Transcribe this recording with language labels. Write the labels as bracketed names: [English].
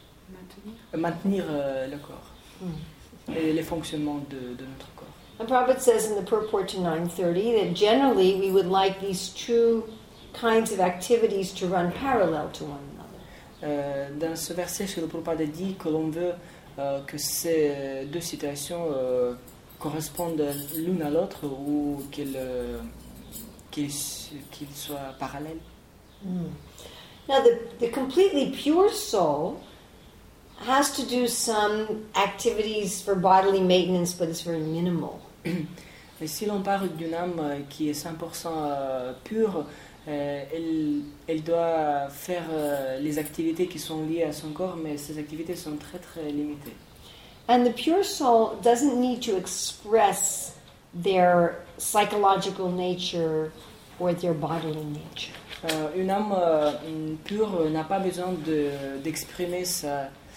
[French] Nous devrons maintenir le corps et les fonctionnements de notre corps. [English] And Prabhupada says in the purport to 9:30 that generally we would like these two kinds of activities to run parallel to one another. [French] Dans ce verset, Srila Prabhupada dit que l'on veut que ces deux situations correspondent l'une à l'autre, ou qu'ils soient parallèles. Mm. [English] Now the completely pure soul has to do some activities for bodily maintenance, but it's very minimal. [French] Et si l'on parle d'une âme qui est 100% pure, elle doit faire les activités qui sont liées à son corps, mais ces activités sont très très limitées. [English] And the pure soul doesn't need to express their psychological nature or their bodily nature. [French] Une âme pure n'a pas besoin d'exprimer sa...